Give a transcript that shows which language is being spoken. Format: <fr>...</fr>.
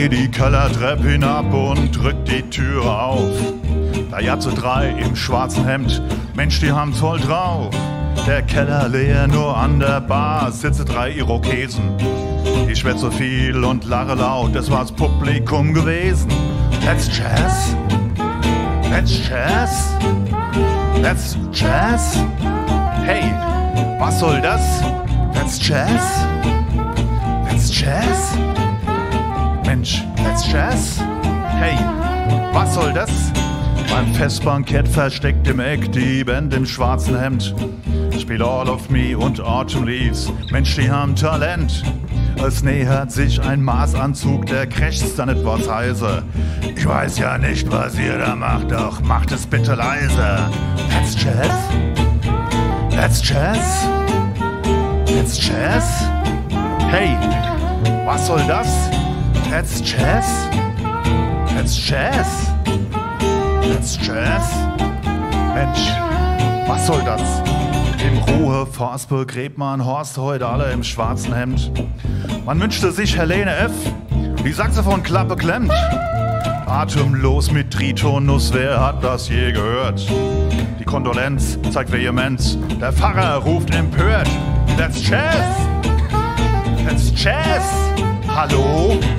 <de>Kellertrepp hinab und drückt die Tür auf. Da jatze drei im schwarzen Hemd, Mensch, die haben's voll drauf. Der Keller leer, nur an der Bar sitze drei Irokesen. Ich schwätze viel und lache laut, das war's Publikum gewesen.</de> <en>That's Jazz, that's Jazz, that's Jazz.</en> <de>Hey, was soll das?</de> <en>That's Jazz, that's Jazz.</en> <de>Mensch,</de> <en>that's Jazz?</en> <de>Hey, was soll das? Beim Festbankett versteckt im Eck die Band im schwarzen Hemd. Spiel All of Me und Autumn Leaves. Mensch, die haben Talent. Es nähert sich ein Maßanzug, der crasht dann etwas heiser. Ich weiß ja nicht, was ihr da macht, doch macht es bitte leise.</de> <en>That's Jazz? That's Jazz? That's Jazz?</en> <de>Hey, was soll das?</de> <en>That's Jazz, that's Jazz, that's Jazz.</en> <de>Mensch, was soll das? Im Ruheforst begräbt man Horst heute alle im schwarzen Hemd. Man wünschte sich Helene F., die Saxophonklappe klemmt. Atemlos mit Tritonus, wer hat das je gehört? Die Kondolenz zeigt Vehemenz, der Pfarrer ruft empört.</de> <en>That's Jazz, that's Jazz, hallo?</en>